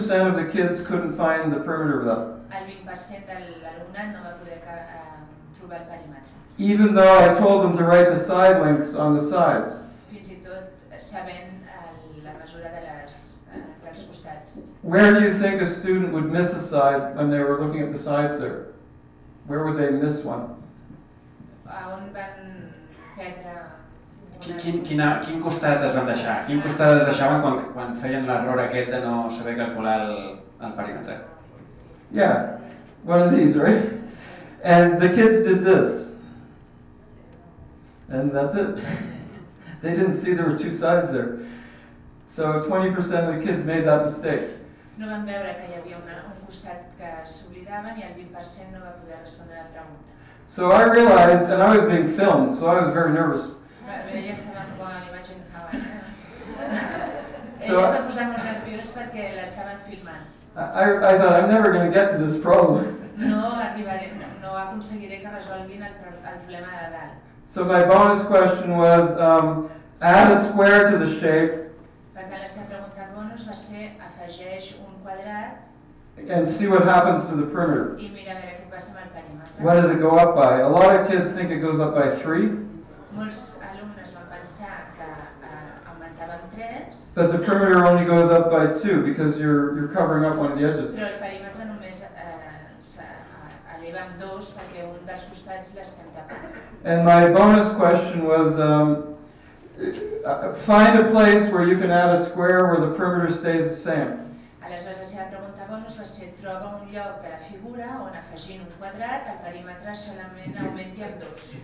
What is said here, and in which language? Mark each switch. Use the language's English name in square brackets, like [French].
[English] of the kids couldn't find the perimeter of that. [Catalan] El 20% de l'alumnat no va poder trobar el perímetre. [English] Even though I told them to write the side lengths on the sides. [Catalan] Fins i tot sabent la mesura de dels costats. [English] Where do you think a student would miss a side when they were looking at the sides there? Where would they miss one? [Catalan] On van perdre... Quin costat es van deixar? Quin costat es deixaven quan feien l'error aquest de no saber calcular el perímetre? [English] Yeah, one of these, right? And the kids did this. And that's it. They didn't see there were two sides there. So 20% of the kids made that mistake. [Catalan] No van veure que hi havia un costat que s'oblidaven i el 20% no va poder respondre la pregunta. [English] So I realized, and I was being filmed, so I was very nervous. [Catalan] Ella estava amb l'imatge de Havana. Ella s'ha posat molt nerviós perquè l'estaven filmant. [English] I thought, I'm never going to get to this problem. [Catalan] No aconseguiré que resolguin el problema de dalt. [English] So my bonus question was, add a square to the shape. [Catalan] Perquè la seva pregunta bonus va ser, afegeix un quadrat. [English] And see what happens to the perimeter. [Catalan] I mira a veure què passa amb el perímetre. [English] What does it go up by? A lot of kids think it goes up by 3. [Catalan] Molts alumnes van pensar que augmentava amb 3. [English] But the perimeter only goes up by 2 because you're covering up one of the edges. [Catalan] Però el perímetre només s'eleva amb 2 perquè un dels costats l'estem tapant. [English] And my bonus question was, find a place where you can add a square where the perimeter stays the same. [Catalan] Aleshores, la seva pregunta bonus va ser, troba un lloc de la figura on afegint un quadrat, el perímetre solament augmenti amb 2.